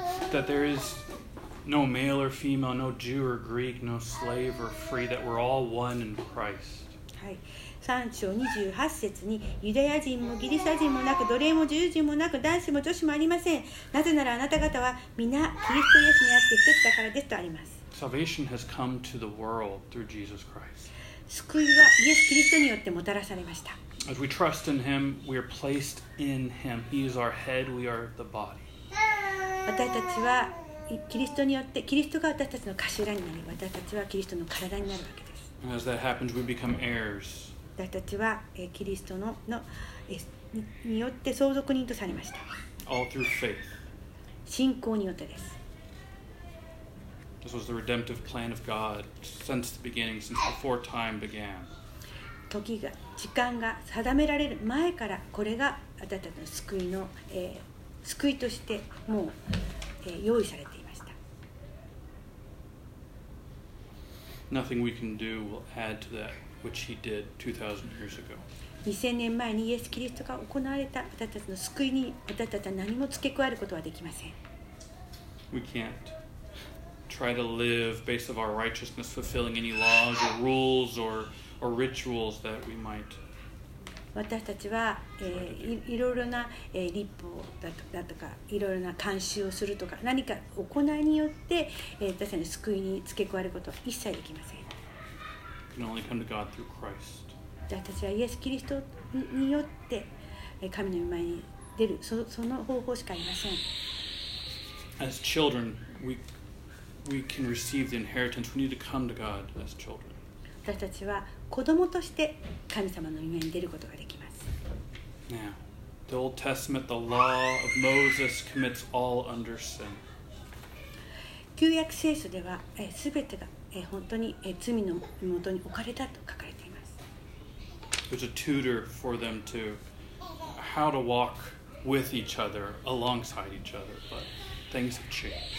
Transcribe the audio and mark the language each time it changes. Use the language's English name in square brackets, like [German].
[English] That there is no male or female, no Jew or Greek, no slave or free, that we're all one in Christ. [Japanese] はい。 3章28節にユダヤ人もギリシャ人もなく奴隷も自由人もなく男子も女子もありません。なぜならあなた方は皆キリストイエスにあって一つだからですとあります。 [English] Salvation has come to the world through Jesus Christ. [Japanese] 救いはイエス・キリストによってもたらされました。 [English] As we trust in him, we are placed in him. He is our head, we are the body. [Japanese] 私たちはキリストによって、キリストが私たちの頭になり、私たちはキリストの体になるわけです。 [English] And as that happens, we become heirs. [Japanese] 私たちはキリストのによって相続人とされました。 [English] All through faith. [Japanese] 信仰によってです。 [English] This was the redemptive plan of God since the beginning, since before time began. [Japanese] 時間が定められる前からこれが私たちの救いの、救いとしてもう、用意されていました。 [English] Nothing we can do will add to that which he did 2,000 years ago. [Japanese] 2000年前にイエス・キリストが行われた私たちの救いに私たちは何も付け加えることはできません。 [English] We can't try to live based on our righteousness, fulfilling any laws or rules or rituals that we might. [Japanese] 私たちは、いろいろな、立法だとか、いろいろな慣習をするとか、何か行いによって、私たちの救いに付け加えることは一切できません。 [English] We can only come to God through Christ. [Japanese] 私たちはイエス・キリストによって、神の御前に出る、その方法しかありません。 [English] As children, we can receive the inheritance. We need to come to God as children. [Japanese] 私たちは子供として神様の御前に出ることができます。 [English] Now, the Old Testament, the law of Moses commits all under sin. [Japanese] 旧約聖書では、すべてが、本当に、罪の元に置かれたと書かれています。 [English] There's a tutor for them to how to walk with each other, alongside each other, but things have changed.